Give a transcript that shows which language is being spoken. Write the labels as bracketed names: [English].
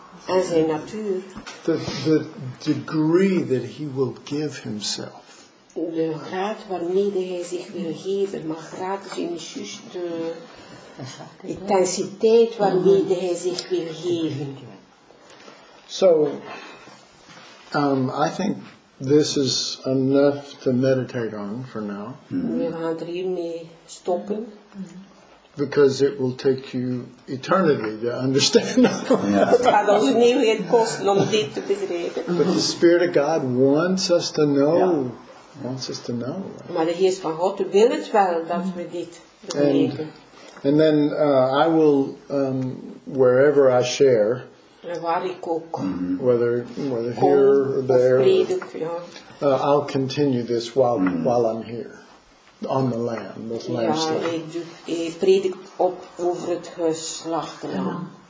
[English] As a nature, the degree that he will give himself. [Dutch] De graad waarmee hij zich wil geven, maar graad is in juist de intensiteit waarmee hij zich wil geven. [English] So, I think this is enough to meditate on for now. [Dutch] We gaan er hiermee stoppen. [English] Because it will take you eternity to understand. But the Spirit of God wants us to know. Wants us to know. [Dutch] Maar de Geest van God wil het wel dat we dit weten. [English] And then I will, wherever I share, whether here or there, I'll continue this while I'm here, on the land, with lamb's land.